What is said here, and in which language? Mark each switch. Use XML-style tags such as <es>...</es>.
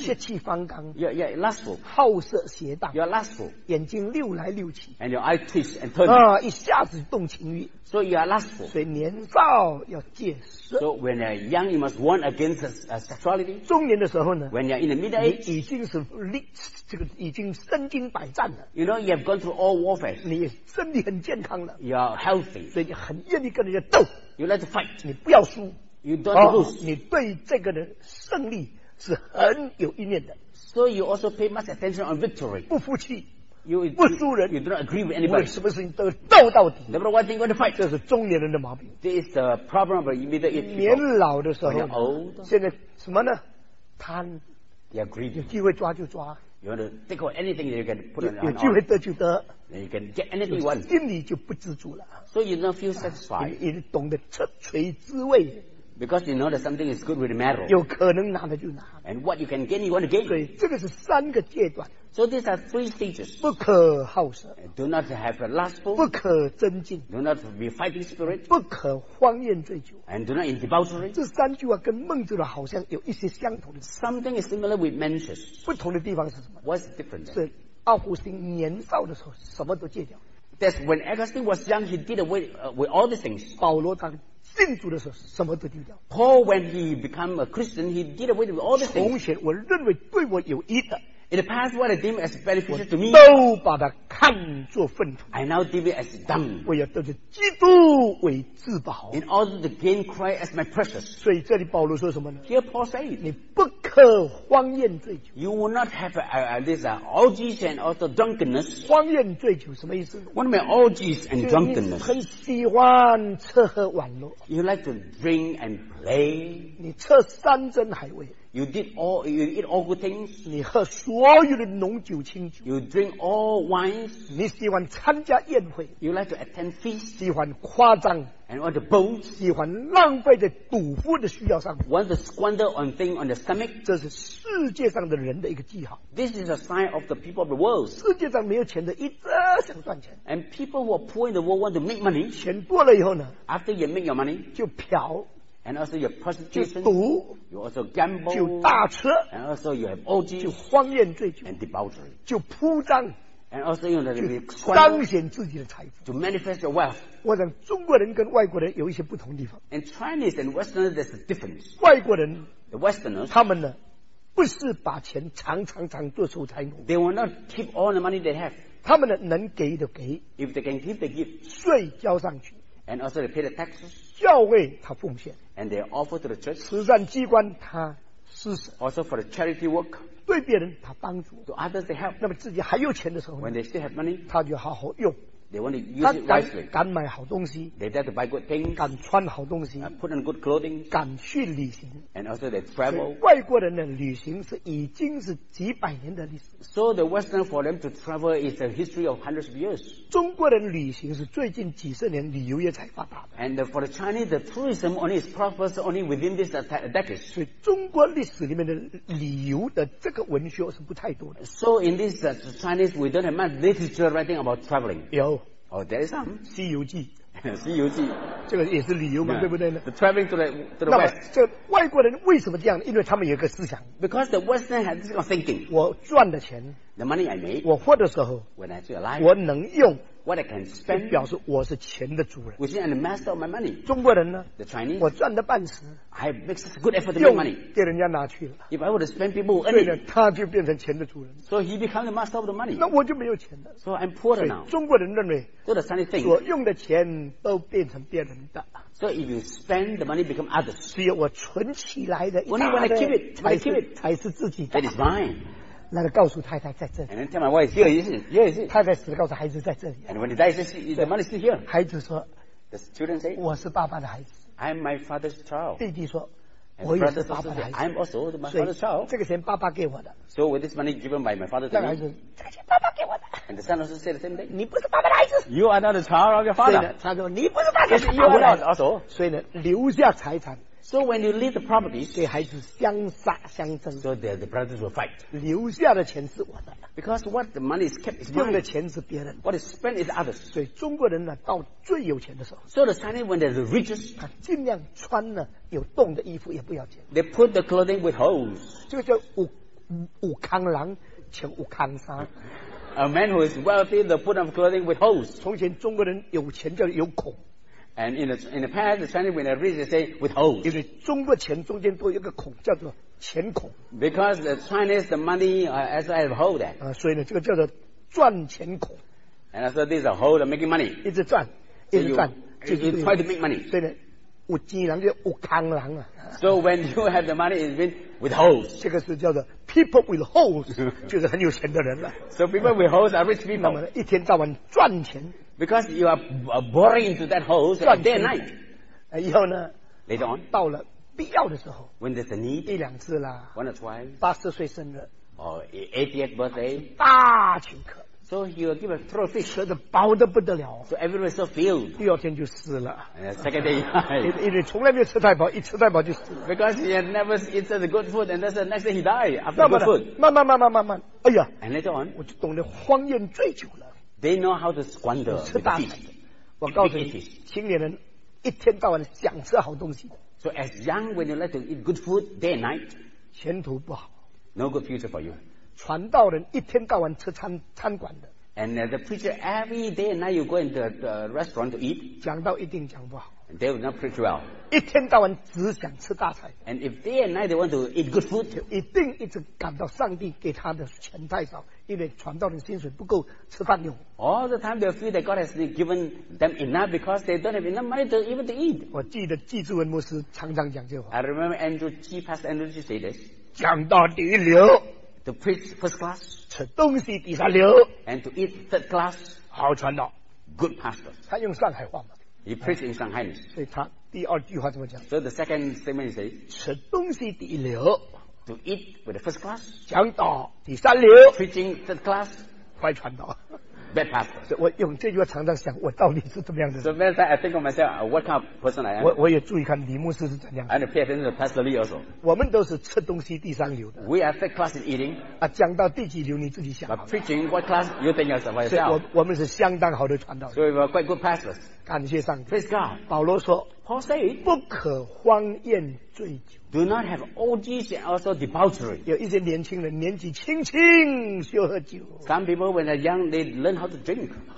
<zh>血气方刚</zh> <en>you're lustful,</en> <zh>好色邪荡</zh> <en>you're lustful,</en> <zh>眼睛溜来溜去</zh> <en>and your eye twist and turn,</en> <zh>啊，一下子动情欲</zh> <en>so you are lustful,</en> <zh>所以年少要戒色</zh> <en>so when you're young, you must warn against sexuality,</en> <zh>中年的时候呢</zh> <en>when you're in the middle age,</en> <zh>已经是力这个已经身经百战了</zh> <en>you know, you have gone through all warfare,</en> <zh>你身体很健康了</zh> <en>you're healthy,</en> <zh>所以你很愿意跟人家斗</zh> <en>you like to fight,</en> <zh>你不要输</zh> <en>you don't lose,</en> <zh>你对这个的胜利是很有意念的</zh> <en>so you also pay much attention on victory</en> <zh>不服气</zh> <en>you,</en> <zh>不输人</zh> <en>you do not agree with anybody</en> <zh>什么事情都斗到底</zh> <en>number one thing you want to fight</en> <zh>这是中年人的毛病</zh> <en>this is the problem of immediate people</en> <zh>年老的时候</zh> <en>when you're old</en> <zh>现在什么呢贪</zh> <en>you're greedy</en> <zh>有机会抓就抓</zh> <en>you want to take out anything that you can put on</en> <zh>有机会得就得</zh> <en>then you can get anything you want</en> <zh>心里就不知足了</zh> <en>so you don't feel satisfied</en> <zh>你懂得彻锤滋味</zh> <en>Because you know that something is good with the metal.</en> <zh>有可能拿的就拿。</zh> <en>And what you can gain, you want to gain.</en> <zh>所以这个是三个阶段。</zh> <en>So these are three stages.</en> <zh>不可好色。</zh> <en>Do not have a lustful.</en> <zh>不可增进。</zh> <en>Do not be fighting spirit.</en> <zh>不可荒宴醉酒。</zh> <en>And do not in debauchery.</en> <zh>这三句话跟孟子的好像有一些相同的。</zh> <en>Something is similar with Mencius.</en> <zh>不同的地方是什么</zh> <en>？What's different?</en> <zh>是奥古斯丁年少的时候什么都戒掉。</zh> <en>That's when Augustine was young, he did away with all these things.</en> <zh>保罗他信主的时候什么都丢掉。</zh> <en>Paul, when he became a Christian, he did away with all these things.</en> <zh>从前我认为对我有益的。</zh> <en>In the past, what I deemed as beneficial to me,</en> <zh>都把它看作粪土。</zh> <en>I now deem it as dung.</en> <zh>我要得着基督为至宝。</zh> <en>In order to gain Christ as my precious.</en> <zh>所以这里保罗说什么呢？</zh> <en>Here Paul says,</en> <zh>你不可荒宴醉酒。</zh> <en>You will not have orgies and also drunkenness.</en> <zh>荒宴醉酒什么意思？</zh> <en>What do you mean orgies and drunkenness?</en> <zh>你很喜欢吃喝玩乐。</zh> <en>You like to drink and play.</en> <zh>你吃山珍海味。</zh> <en>You eat all good things.</en> <zh>你喝所有的浓酒清酒。</zh> <en>You drink all wines.</en> <zh>你喜欢参加宴会。</zh> <en>You like to attend feasts.</en> <zh>喜欢夸张。</zh> <en>And want to boast.</en> <zh>喜欢浪费在赌博的需要上。</zh> <en>Want to squander on things on the stomach.</en> <zh>这是世界上的人的一个记号。</zh> <en>This is a sign of the people of the world.</en> <zh>世界上没有钱的一直想赚钱。</zh> <en>And people who are poor in the world want to make money.</en> <zh>钱多了以后呢？</zh> <en>After you make your money.</en> <zh>就嫖。</zh> <en>And also your prostitution,</en> <zh>就赌</zh> <en>you also gamble,</en> <zh>就大吃</zh> <en>and also you have orgies,</en> <zh>就荒宴醉酒</zh> <en>and debauchery,</en> <zh>就铺张</zh> <en>and also you have to be</en> <zh>就彰显自己的财富</zh> <en>to manifest your wealth.</en> <zh>我想中国人跟外国人有一些不同地方</zh> <en>and Chinese and Westerners there's a difference.</en> <zh>外国人</zh> <en>the Westerners,</en> <zh>他们呢不是把钱藏藏藏做守财奴</zh> <en>they will not keep all the money they have.</en> <zh>他们呢能给就给</zh> <en>if they can give, they give.</en> <zh>税交上去</zh> <en>and also they pay the taxes.</en> <zh>教会他奉献</zh> <en>And they offer to the church.</en> <zh>慈善机关他施舍。</zh> <en>Also for the charity work.</en> <zh>对别人他帮助。</zh> <en>To others they help.</en> <zh>那么自己还有钱的时候。</zh> <en>When they still have money.</en> <zh>他就好好用。</zh> <en>They want to use it wisely.</en> <zh>敢买好东西。</zh> <en>They dare to buy good things.</en> <zh>敢穿好东西。</zh> <en>Put on good clothing.</en> <zh>敢去旅行。</zh> <en>And also they travel.</en> <zh>外国人的旅行是已经是几百年的历史。</zh> <en>So the Western for them to travel is a history of hundreds of years.</en> <zh>中国人旅行是最近几十年旅游业才发达的。</zh> <en>And for the Chinese, the tourism only is prosperous only within this decade.</en> <zh>所以中国历史里面的旅游的这个文学是不太多的。</zh> <en>So in this Chinese, we don't have much literature writing about traveling.</en> <zh>有。</zh> <en>Oh, there is some.</en> <zh>西游记。西游记。这个也是旅游嘛，</zh> <en>yeah.</en> <zh>对不对呢？</zh> <en>The traveling to the West.</en> <zh>这外国人为什么这样？因为他们有一个思想。</zh> <en>Because the Western has this kind of thinking.</en> <zh>我赚的钱。</zh> <en>The money I make.</en> <zh>我活的时候。</zh> <en>When I feel alive.</en> <zh>我能用。</zh> <en>What I can spend.</en> <zh>表示我是钱的主人。</zh> <en>Which is the master of my money.</en> <zh>中国人呢？</zh> <en>The Chinese.</en> <zh>我赚的半死。</zh> <en>I make such good effort to make money.</en> <zh>给人家拿去了。</zh> <en>If I were to spend people who earn it.</en> <zh>对呢，他就变成钱的主人。</zh> <en>So he becomes the master of the money.</en> <zh>那我就没有钱了。</zh> <en>So I'm poorer now.</en> <zh>中国人认为。</zh> <en>So the Chinese think.</en> <zh>所用的钱都变成别人的。</zh> <en>So if you spend the money become others.</en> <zh>只有我存起来的。</zh> <en>Only when I keep it. When I keep it.</en> <zh>才是自己的。</zh> <en>That is mine.</en> <zh>那个告诉太太在这里。</zh> <en>And then tell my wife, here is it, here is it.</en> <zh>太太死了告诉孩子在这里。</zh> <en>And when he dies, the money is still here.</en> <zh>孩子说</zh> <en>The student say,</en> <zh>我是爸爸的孩子。</zh> <en>I'm my father's child.</en> <zh>弟弟说我也是爸爸的孩子。</zh> <en>I'm also my father's child.</en> <zh>这个钱爸爸给我的。</zh> <en>So with this money given by my father's child.</en> <zh>这个钱爸爸给我的。</zh> <en>And the son also said the same thing.</en> <zh>你不是爸爸的孩子。</zh> <en>You are not the child of your father.</en> <zh>他说你不是爸爸的孩子。</zh> <en>You are not also.</en> <zh>所以呢留下财产。</zh> <en>So when you leave the properties,</en> <zh>对孩子相杀相争。</zh> <en>So the brothers will fight.</en> <zh>留下的钱是我的。</zh> <en>Because what the money is kept is mine.</en> <zh>用的钱是别人。</zh> <en>What is spent is others.</en> <zh>所以中国人呢，到最有钱的时候。</zh> <en>So the Chinese when they're the richest,</en> <zh>他尽量穿呢有洞的衣服也不要紧。</zh> <en>They put the clothing with holes.</en> <zh>这个叫武康郎穿武康衫。</zh> <en>A man who is wealthy, they put on clothing with holes.</en> <zh>从前中国人有钱叫有孔。</zh> <en>And in the past, the Chinese when they reach, they say with holes.</en> <zh>因为中国钱中间都有一个孔，叫做钱孔。</zh> <en>Because the Chinese the money as I have hole that.</en> <zh>所以呢，这个叫做赚钱孔。</zh> <en>And I said this is a hole of making money.</en> <zh>一直赚，一直赚，</zh> <en>so、you,</en> <zh>就是</zh> <en>try to make money.</en> <zh>对的，有钱人就有空人啊。</zh> <en>So when you have the money, it means with holes.</en> <zh>这个是叫做</zh> <en>people with holes，</en> <zh>就是很有钱的人了。</zh> <en>So people with holes are rich people.</en> <zh>那么一天到晚赚钱。</zh> <en>Because you are boring into that hole day and night.</en> <zh>以后呢</zh> <en>Later on.</en> <zh>到了必要的时候</zh> <en>When there's a need.</en> <zh>一两次啦</zh> <en>One or twice.</en> <zh>80岁生日</zh> <en>80th birthday.</en> <zh>大请客</zh> <en>So he will give a throw fish.</en> <zh>吃得饱得不得了</zh> <en>So everyone is so filled.</en> <zh>第二天就死了</zh> <en>Second day.</en> <zh>因为从来没有吃太饱一吃太饱就死了</zh> <en>Because he had never eaten the good food and that's the next day he died after good food.</en> <zh>慢慢哎呀</zh> <en>And later on.</en> <zh>我就懂得荒宴醉酒了</zh> <en>They know how to squander the feast.</en> <zh>我告诉你，青年人一天到晚想吃好东西。</zh> <en>So as young when you like to eat good food day and night,</en> <zh>前途不好。</zh> <en>No good future for you.</en> <zh>传道人一天到晚吃餐馆的。</zh> <en>And the preacher every day and night you go into the restaurant to eat.</en> <zh>讲到一定讲不好。</zh> <en>They will not preach well.</en> <zh>一天到晚只想吃大菜。</zh> <en>And if day and night they want to eat good food,</en> <zh>一定一直感到上帝给他的钱太少，因为传道的薪水不够吃饭用。</zh> <en>All the time they feel that God has given them enough because they don't have enough money to even to eat.</en> <zh>我记得季志文牧师常常讲这话。</zh> <en>I remember Andrew G. Pastor Andrew G. say this.</en> <zh>讲到第一流。</zh> <en>To preach first class.</en> <zh>吃东西第三流。</zh> <en>And to eat third class.</en> <zh>好传道。</zh> <en>Good pastor.</en> <zh>他用上海话嘛。</zh> <en>He preached in Shanghai.</en> <zh>所以他第二句话怎么讲？</zh> <en>So the second statement is</en> <zh>吃东西第一流。</zh> <en>To eat with the first class.</en> <zh>讲道第三流。</zh> <en>Preaching third class.</en> <zh>坏传道。</zh> <en>Bad pastor.</en> <zh>所以我用这句话常常想，我到底是怎么样的？</zh> <en>So many times I think of myself, what kind of person I am.</en> <zh>我也注意看李牧师是怎样的。</zh> <en>And pay attention to Pastor Lee also.</en> <zh>我们都是吃东西第三流的。</zh> <en>We are third class in eating.</en> <zh>啊，讲到第几流你自己想。</zh> <en>But preaching what class you think of yourself?</en> <zh>所以我们是相当好的传道。</zh> <en>So we are quite good pastors.</en> <zh>感谢上帝。</zh> <en>Praise God.</en> <zh>保罗说</zh> <en>Paul said,</en> <zh>不可荒宴醉酒。</zh> <en>Do not have orgies and also debauchery.</en> <zh>有一些年轻人年纪轻轻就喝酒。</zh> <en>Some people when they're young, they learn how to drink.</en>